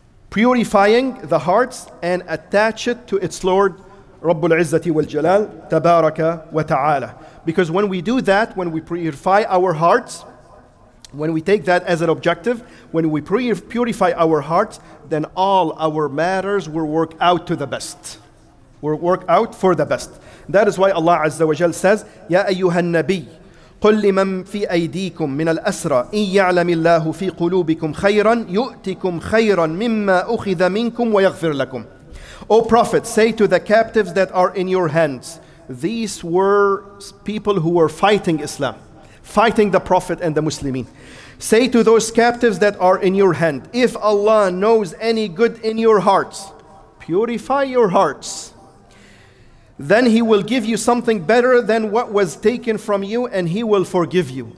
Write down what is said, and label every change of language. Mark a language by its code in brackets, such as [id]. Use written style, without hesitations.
[en] Purifying the hearts and attach it to its Lord, Rabbul Izzati wal Jalal, tabaraka wa ta'ala. Because when we do that, when we purify our hearts, when we take that as an objective, when we purify our hearts, then all our matters will work out to the best. Will work out for the best. That is why Allah Azza wa Jal says, [ar] يَا أَيُّهَا النَّبِيِّ قُلْ لِمَنْ فِي أَيْدِيكُمْ مِنَ الْأَسْرَى إِنْ يَعْلَمِ اللَّهُ فِي قُلُوبِكُمْ خَيْرًا يُؤْتِكُمْ خَيْرًا مِمَّا أُخِذَ مِنْكُمْ وَيَغْفِرْ لَكُمْ. [en] O Prophet, say to the captives that are in your hands, these were people who were fighting Islam, fighting the Prophet and the Muslimin. Say to those captives that are in your hand, if Allah knows any good in your hearts, purify your hearts, then He will give you something better than what was taken from you, and He will forgive you.